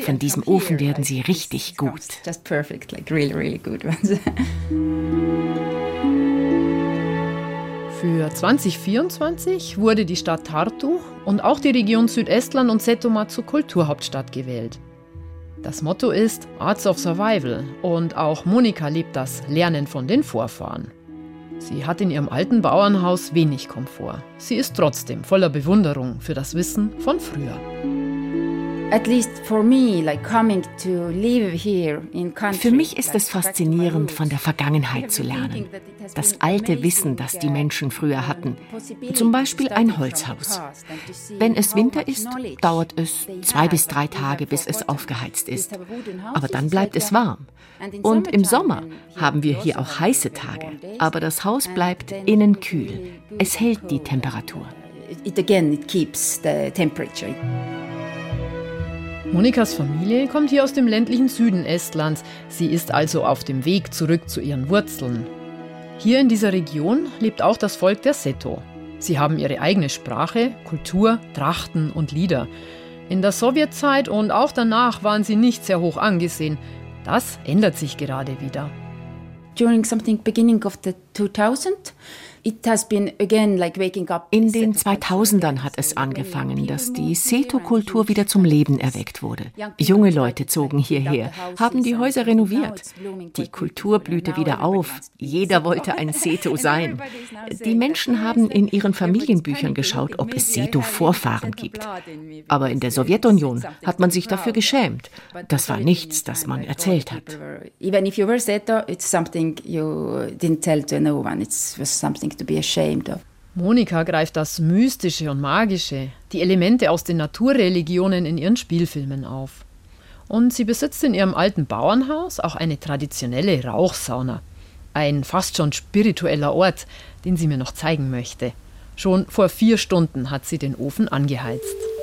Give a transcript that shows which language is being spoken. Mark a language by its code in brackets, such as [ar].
[de] Von diesem Ofen werden sie richtig gut. [en] Just perfect, like really, really good ones. [de] Für 2024 wurde die Stadt Tartu und auch die Region Südestland und Setomaa zur Kulturhauptstadt gewählt. Das Motto ist [en] Arts of Survival [de] und auch Monika lebt das Lernen von den Vorfahren. Sie hat in ihrem alten Bauernhaus wenig Komfort. Sie ist trotzdem voller Bewunderung für das Wissen von früher. [en] At least for me, like coming to live here in country. [de] Für mich ist es faszinierend, von der Vergangenheit zu lernen. Das alte Wissen, das die Menschen früher hatten. Zum Beispiel ein Holzhaus. Wenn es Winter ist, dauert es 2 bis 3 Tage, bis es aufgeheizt ist. Aber dann bleibt es warm. Und im Sommer haben wir hier auch heiße Tage. Aber das Haus bleibt innen kühl. Es hält die Temperatur. [en] It again keeps the temperature. [de] Monikas Familie kommt hier aus dem ländlichen Süden Estlands. Sie ist also auf dem Weg zurück zu ihren Wurzeln. Hier in dieser Region lebt auch das Volk der Seto. Sie haben ihre eigene Sprache, Kultur, Trachten und Lieder. In der Sowjetzeit und auch danach waren sie nicht sehr hoch angesehen. Das ändert sich gerade wieder. [en] During something beginning of the 2000. It has been again like waking up. [de] In den 2000ern hat es angefangen, dass die Seto-Kultur wieder zum Leben erweckt wurde. Junge Leute zogen hierher, haben die Häuser renoviert. Die Kultur blühte wieder auf. Jeder wollte ein Seto sein. Die Menschen haben in ihren Familienbüchern geschaut, ob es Seto-Vorfahren gibt. Aber in der Sowjetunion hat man sich dafür geschämt. Das war nichts, das man erzählt hat. [en] Even if you were Seto, it's something you didn't tell to no one. It was something. [de] Monika greift das Mystische und Magische, die Elemente aus den Naturreligionen in ihren Spielfilmen auf. Und sie besitzt in ihrem alten Bauernhaus auch eine traditionelle Rauchsauna. Ein fast schon spiritueller Ort, den sie mir noch zeigen möchte. Schon vor 4 Stunden hat sie den Ofen angeheizt.